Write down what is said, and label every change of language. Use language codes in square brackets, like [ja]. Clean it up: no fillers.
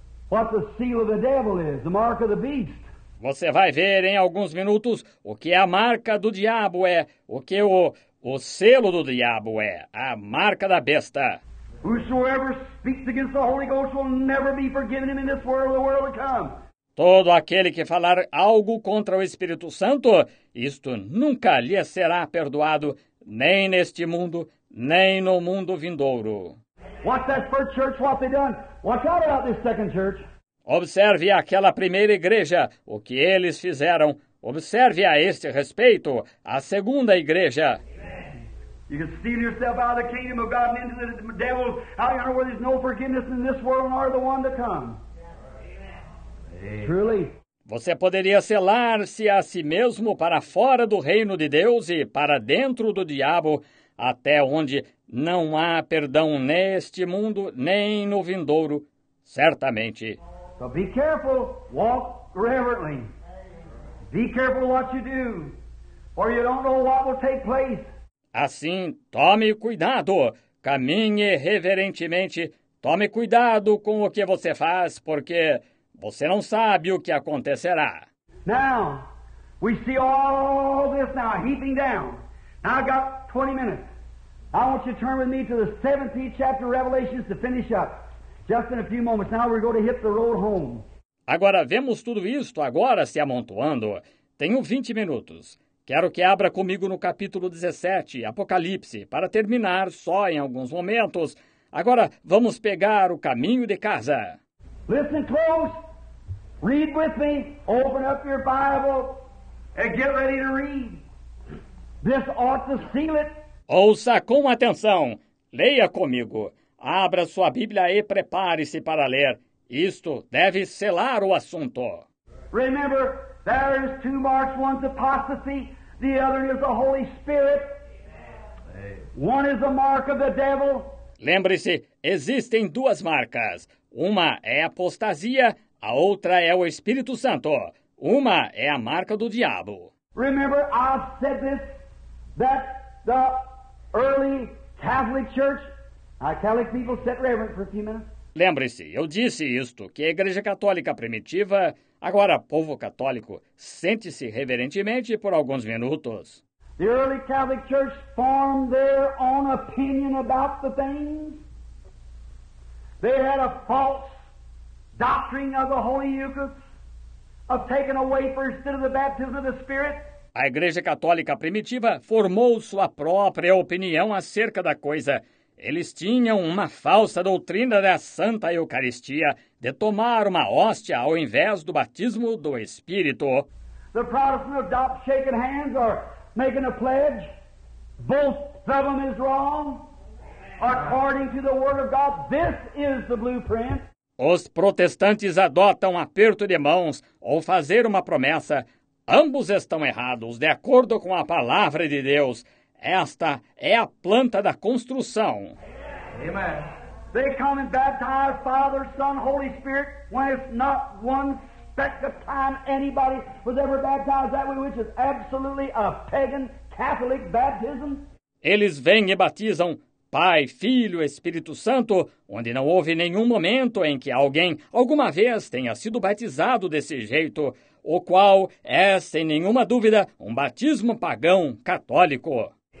[en] What the seal of the devil is, the mark of the beast. [pt] Você vai ver em alguns minutos o que a marca do diabo é, o que o selo do diabo é, a marca da besta. [en] Whosoever speaks against the Holy Ghost will never be forgiven him in this world or the world to come. [pt] Todo aquele que falar algo contra o Espírito Santo, isto nunca lhe será perdoado, nem neste mundo, nem no mundo vindouro. [en] Watch that first church, what they done. Watch out about this second church. [pt] Observe aquela primeira igreja, o que eles fizeram. Observe a este respeito, a segunda igreja. [en] You can steal yourself out of the kingdom of God and into the devil, out of where there's no forgiveness in this world and are the one to come. Amen. Truly. [pt] Você poderia selar-se a si mesmo para fora do reino de Deus e para dentro do diabo, até onde não há perdão neste mundo nem no vindouro, certamente. [en] So be careful, walk reverently. Be careful what you do, or you don't know what will take place. [pt] Assim, tome cuidado, caminhe reverentemente, tome cuidado com o que você faz, porque você não sabe o que acontecerá. [en] Now, we see all this now heaping down. Now I've got 20 minutes. I want you to turn with me to the 17th chapter of Revelation to finish up. Just in a few moments. Now we're going to hit the road home. [pt] Agora, vemos tudo isto agora se amontoando. Tenho 20 minutos. Quero que abra comigo no capítulo 17, Apocalipse, para terminar só em alguns momentos. Agora, vamos pegar o caminho de casa. [en] Listen close. Read with me. Open up your Bible and get ready to read. This ought to seal it. [pt] Ouça com atenção. Leia comigo. Abra sua Bíblia e prepare-se para ler. Isto deve selar o assunto. [en] Remember, there is two marks. One's apostasy. The other is the Holy Spirit. One is the mark of the devil. [pt] Lembre-se, existem duas marcas. Uma é apostasia, a outra é o Espírito Santo. Uma é a marca do diabo. [en] Remember, I've said this, that the early Catholic Church, our Catholic people sit reverent for a few minutes. [pt] Lembre-se, eu disse isto, que a Igreja Católica Primitiva, agora povo católico, sente-se reverentemente por alguns minutos. [en] The early Catholic Church formed their own opinion about the things. They had a false doctrine of the Holy Eucharist, of taking a wafer instead of the baptism of the Spirit. [pt] A Igreja Católica Primitiva formou sua própria opinião acerca da coisa. Eles tinham uma falsa doutrina da Santa Eucaristia, de tomar uma hóstia ao invés do batismo do Espírito. [en] The Protestant adopt shaking hands or making a pledge. Both of them is wrong. According to the Word of God, this is the blueprint. [pt] Os protestantes adotam aperto de mãos ou fazer uma promessa. Ambos estão errados, de acordo com a palavra de Deus. Esta é a planta da construção. [en] Amen. They come and baptize Father, Son, Holy Spirit, when it's not one speck of time anybody was ever baptized that way, which is absolutely a pagan Catholic baptism. [pt] Eles vêm e batizam Pai, Filho, Espírito Santo, onde não houve nenhum momento em que alguém alguma vez tenha sido batizado desse jeito, o qual é, sem nenhuma dúvida, um batismo pagão católico.